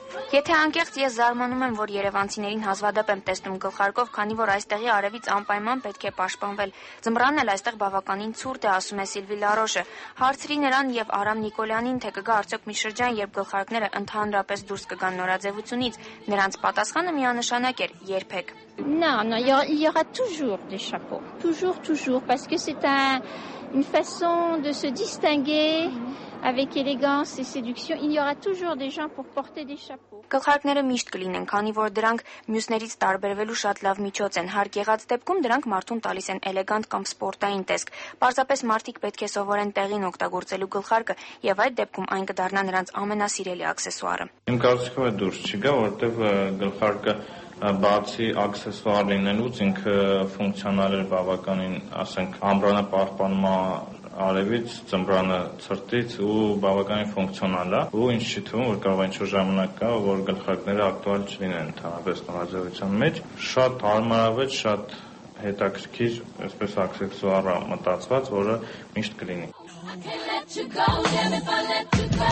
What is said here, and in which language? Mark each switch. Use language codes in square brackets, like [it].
[hy] Եթե անկեղծ, ես զարմանում եմ, որ երևանցիներին հազվադեպ եմ տեսնում գլխարկով, քանի որ այստեղի արևից անպայման պետք է պաշտպանվել։ Ձմռանն էլ այստեղ բավականին ցուրտ է, ասում է Սիլվի Լարոշը։ Հարցրի նրան եւ Արամ Նիկոլյանին, թե կգա արդյոք մի շրջան, երբ գլխարկները ընդհանրապես դուրս կգան նորաձևությունից։ Նրանց պատասխանը միանշանակ էր՝ երբեք։ [fr] Նա il y aura toujours des chapeaux. Toujours parce que c'est une façon de se distinguer. Avec élégance et séduction, il y aura toujours des gens pour porter des chapeaux. [hy] Գլխարկները միշտ կլինեն, քանի որ դրանք մյուսներից տարբերվելու շատ լավ միջոց են։ Հարկ եղած դեպքում դրանք մարդուն տալիս են էլեգանտ կամ սպորտային տեսք։ Պարզապես մարդիկ պետք է սովորեն տեղին օգտագործելու գլխարկը, եւ այդ դեպքում այն կդառնա նրանց ամենասիրելի աքսեսուարը։ Իմ կարծիքով է դուրս չգա, որտեվ գլխարկը բացի աքսեսուար լինելուց ինքը ֆունկցիոնալ է բավականին, ասենք, ամբրանը պահպանում է արևից, ծմբրանը ցրտից ու բավականին ֆունկցիոնալ է, ու ինձ չի թվում, որ կարող ինչ-որ ժամանակ կա, որ գլխարկները ակտուալ չլինեն ընդհանրապես նորաձևության մեջ։ Շատ հարմարավետ, շատ հետաքրքիր, այսպես աքսեսուար մտածված, որը միշտ կլինի։